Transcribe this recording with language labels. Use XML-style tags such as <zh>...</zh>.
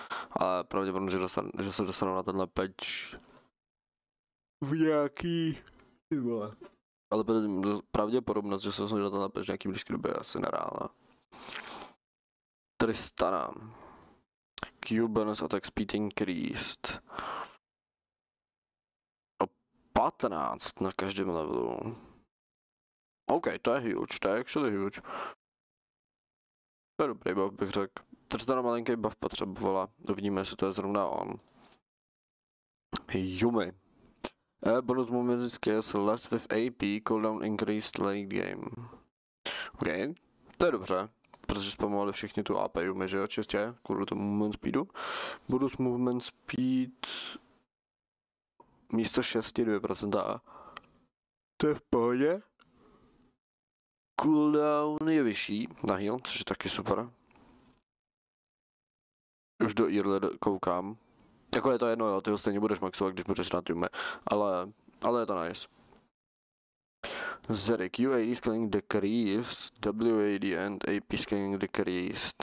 <cs>Ale pravděpodobně, že se dostanou na tenhle patch v nějaký ty vole. Ale pravděpodobnost, že se dostanou na tenhle patch v nějaký blízký době je asi nereálná. Tristana.</cs> <en>Q bonus attack speed increased.</en> <cs>O 15 na každém levelu. OK, to je huge, to je</cs> <en>actually huge.</en> <cs>To je dobrý buff, bych řekl. Tristana malinký buff potřebovala. Uvidíme, jestli to je zrovna on. Yumi.</cs> <en>Bonus movement skills less with AP, cooldown increased late game.</en> <cs>OK, to je dobře. Protože spamovali všichni tu AP Yumi, že jo, čistě, kvůli tomu movement speedu. Bonus movement speed místo 6 2%. To je v pohodě. Cooldown je vyšší na heal, což je taky super. Už do early koukám. Jako je to jedno, jo, ty ho stejně budeš maxovat, když budeš na týme, ale je to nice.</cs> <en>Zeri, QAD scaling decreased, WAD and AP scaling decreased.</en>